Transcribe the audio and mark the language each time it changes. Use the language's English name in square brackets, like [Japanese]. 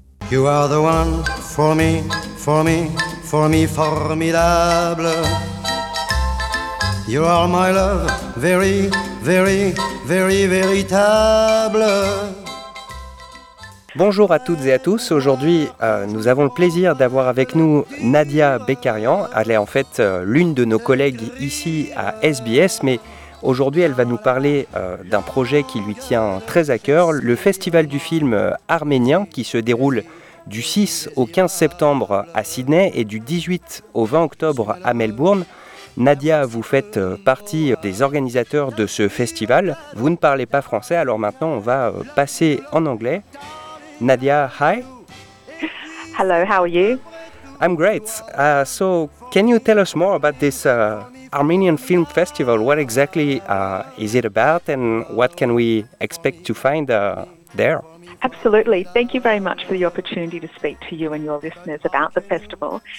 [English] You are the one for me, for me, for me, formidable. You are my love, very, very, very, véritable. [French] Bonjour à toutes et à tous. Aujourd'hui, nous avons le plaisir d'avoir avec nous Nadia Bekarian. Elle est en fait l'une de nos collègues ici à SBS, mais aujourd'hui, elle va nous parler d'un projet qui lui tient très à cœur, le Festival du film arménien qui se déroule du 6 au 15 septembre à Sydney et du 18 au 20 octobre à Melbourne. Nadia, vous faites partie des organisateurs de ce festival. Vous ne parlez pas français, alors maintenant on va passer en anglais. [English] Nadia, hi. Hello, how are you? I'm great. So can you tell us more about this Armenian Film Festival? What exactly is it about and what can we expect to find there? Absolutely. Thank you very much for the opportunity to speak to you and your listeners about the festival.